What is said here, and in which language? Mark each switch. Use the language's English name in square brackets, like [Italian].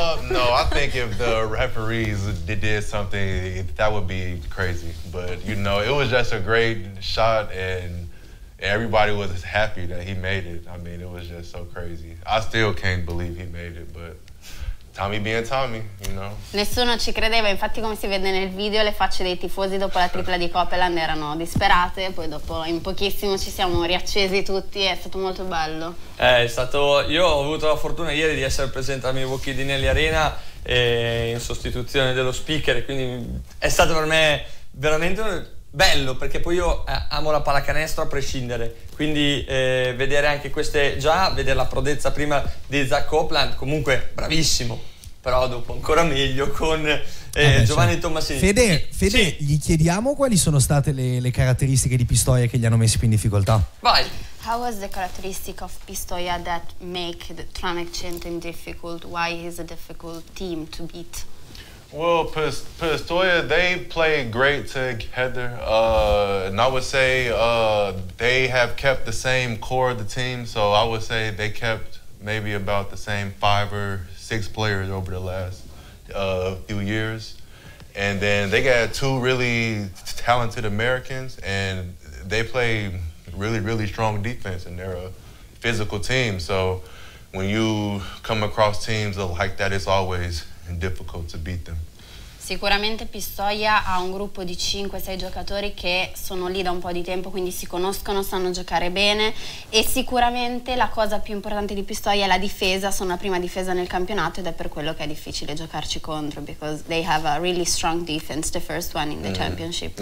[English] No, I think if the referees did something, that would be crazy. But you know, it was just a great shot, and everybody was happy that he made it. I mean, it was just so crazy. I still can't believe he made it, but Tommy being Tommy, you know. [Italian] Nessuno ci credeva. Infatti, come si vede nel video, le facce dei tifosi dopo la tripla di Copeland erano disperate. Poi dopo, in pochissimo, ci siamo riaccesi tutti. È stato molto bello. Io ho avuto la fortuna ieri di essere presente al Milwaukee di Nelly Arena in sostituzione dello speaker. Quindi è stato per me veramente bello, perché poi io amo la pallacanestro a prescindere. Quindi vedere anche queste, già vedere la prodezza prima di Zach Copeland, comunque bravissimo. però dopo ancora meglio con Giovanni cioè. Tomasini. Fede, sì. Gli chiediamo quali sono state le caratteristiche di Pistoia che gli hanno messo più in difficoltà. Vai. [English] How was the characteristic of Pistoia that make the Tranek Centin difficult? Why is a difficult team to beat? Well, Pistoia, they play great together, and I would say they have kept the same core of the team, so I would say they kept maybe about the same five or six players over the last few years. And then they got two really talented Americans, and they play really, really strong defense, and they're a physical team. So when you come across teams like that, it's always difficult to beat them. [Italian] Sicuramente Pistoia ha un gruppo di 5-6 giocatori che sono lì da un po' di tempo, quindi si conoscono, sanno giocare bene, e sicuramente la cosa più importante di Pistoia è la difesa. Sono la prima difesa nel campionato ed è per quello che è difficile giocarci contro, [English] because they have a really strong defense, the first one in the championship.